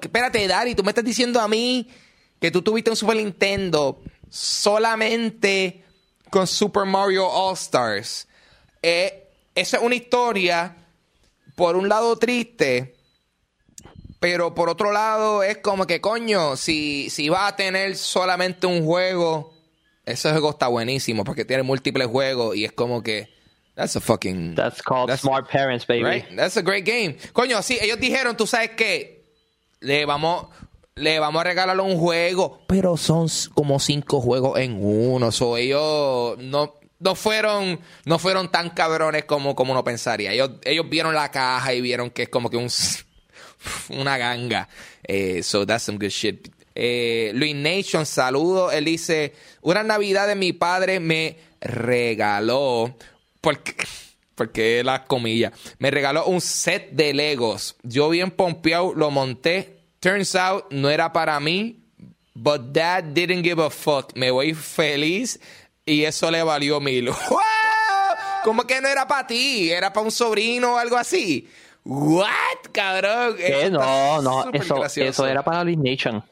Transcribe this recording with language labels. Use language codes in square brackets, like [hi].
[es] Espérate, Dari, tú me estás diciendo a mí que tú tuviste un Super Nintendo solamente con Super Mario All-Stars. Esa es una historia, por un lado, triste. Pero por otro lado, es como que, coño, si vas a tener solamente un juego, ese juego está buenísimo porque tiene múltiples juegos y es como que, [en] That's called Smart Parents, baby. Right? That's a great game. [es] Coño, sí, ellos dijeron, tú sabes qué, le vamos a regalar un juego, pero son como 5 juegos en uno. O sea, ellos no fueron tan cabrones como uno pensaría. Ellos vieron la caja y vieron que es como que una ganga. [en] So that's some good shit. Luis Nation, saludo. [es] Él dice: una Navidad de mi padre me regaló, porque las comillas, me regaló un set de Legos. Yo bien pompeado lo monté. [en] Turns out [es] no era para mí, [en] but dad didn't give a fuck. [es] Me voy feliz y eso le valió 1000. ¿Cómo que no era para ti? ¿Era para un sobrino o algo así? ¿What, cabrón? ¿Qué? Eso era para Luis Nation.